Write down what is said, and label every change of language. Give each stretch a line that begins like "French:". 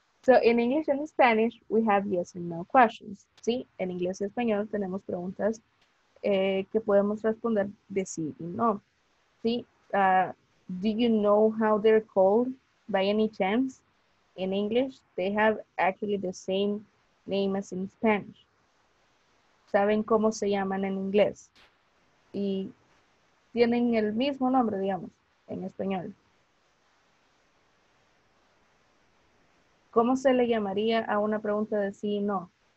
English: So, in English and Spanish, we have yes and no questions.
Spanish: Sí, en inglés y español tenemos preguntas que podemos responder de sí y no.
English: Sí, do you know how they're called by any chance? In English, they have actually the same name as in Spanish.
Spanish: ¿Saben cómo se llaman en inglés? Y tienen el mismo nombre, digamos, en español. ¿Cómo se le llamaría a una pregunta de sí y no?